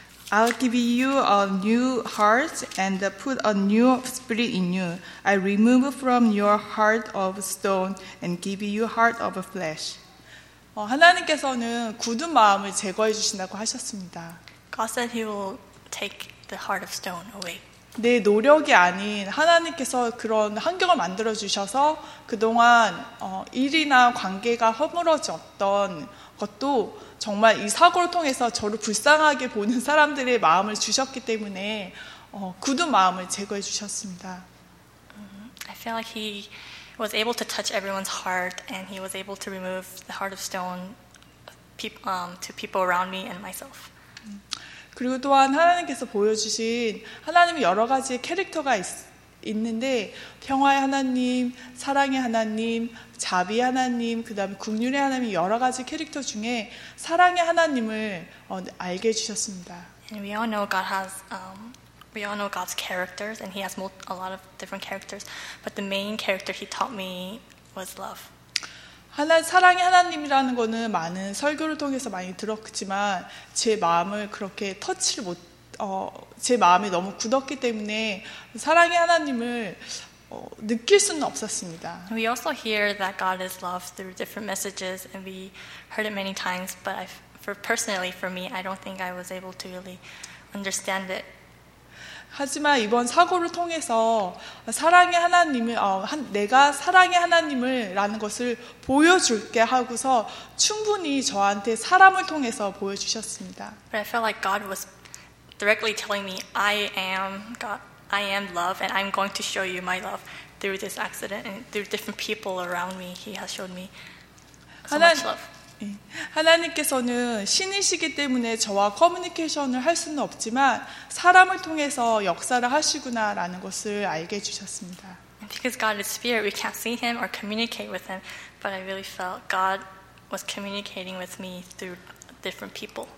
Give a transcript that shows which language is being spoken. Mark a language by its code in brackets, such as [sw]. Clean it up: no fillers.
[en] I'll give you a new heart and put a new spirit in you. I remove from your heart of stone and give you heart of flesh. [ko] 하나님께서는 굳은 마음을 제거해 주신다고 하셨습니다. [en] God said he will take the heart of stone away. [ko] 내 노력이 아닌 하나님께서 그런 환경을 만들어 주셔서 그동안 일이나 관계가 허물어졌던 것도 정말 이 사고를 통해서 저를 불쌍하게 보는 사람들의 마음을 주셨기 때문에 굳은 마음을 제거해 주셨습니다. [en] I feel like he was able to touch everyone's heart and he was able to remove the heart of stone to people around me and myself. [ko] 그리고 또한 하나님께서 보여주신 하나님이 여러 가지의 캐릭터가 있는데 평화의 하나님, 사랑의 하나님, 자비의 하나님, 그 다음에 긍휼의 하나님 여러 가지 캐릭터 중에 사랑의 하나님을 알게 해주셨습니다. [en] And we all know God has, we all know God's characters and he has a lot of different characters. But the main character he taught me was love. [ko] 사랑의 하나님이라는 거는 많은 설교를 통해서 많이 들었지만 제 마음을 그렇게 터치를 못 제 마음이 너무 굳었기 때문에 사랑의 하나님을 느낄 수는 없었습니다. [en] We also hear that God is love through different messages and we heard it many times but for me I don't think I was able to really understand it. [ko] 하지만 이번 사고를 통해서 사랑의 하나님을 내가 사랑의 하나님을 라는 것을 보여줄게 하고서 충분히 저한테 사람을 통해서 보여주셨습니다. [en] But I felt like God was directly telling me I am God, I am love and I'm going to show you my love through this accident and through different people around me. He has shown me so much love. [ko] 하나님께서는 신이시기 때문에 저와 커뮤니케이션을 할 수는 없지만 사람을 통해서 역사를 하시구나라는 것을 알게 주셨습니다. [en] Because God is spirit, we can't see him or communicate with him, but I really felt God was communicating with me through different people.